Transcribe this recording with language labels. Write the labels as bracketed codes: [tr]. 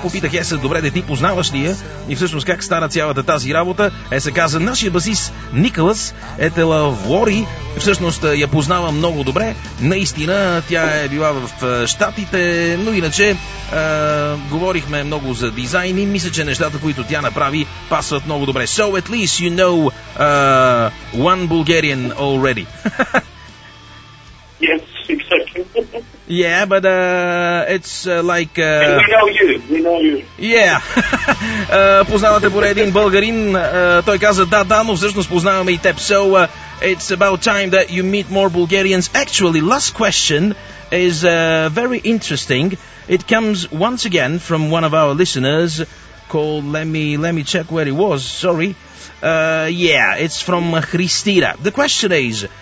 [bg] Попитах Есе, добре, де ти познаваш ли я? И всъщност как стана цялата тази работа? Есе каза, нашия басист Николас Етела Влори, всъщност я познава много добре. Наистина, тя е била в Штатите, но иначе говорихме много за дизайн и мисля, че нещата, които тя направи, пасват много добре. [en] So at least you know one Bulgarian already. Yes, exactly. Yeah, but it's like... We know you. Yeah. [bg] Познавате поне един българин. Той каза, да, но всъщност познаваме и теб. [en] So, it's about time that you meet more Bulgarians. Actually, last question is very interesting. It comes once again from one of our listeners called... Let me check where it was. Sorry. Yeah, it's from Christina. The question is...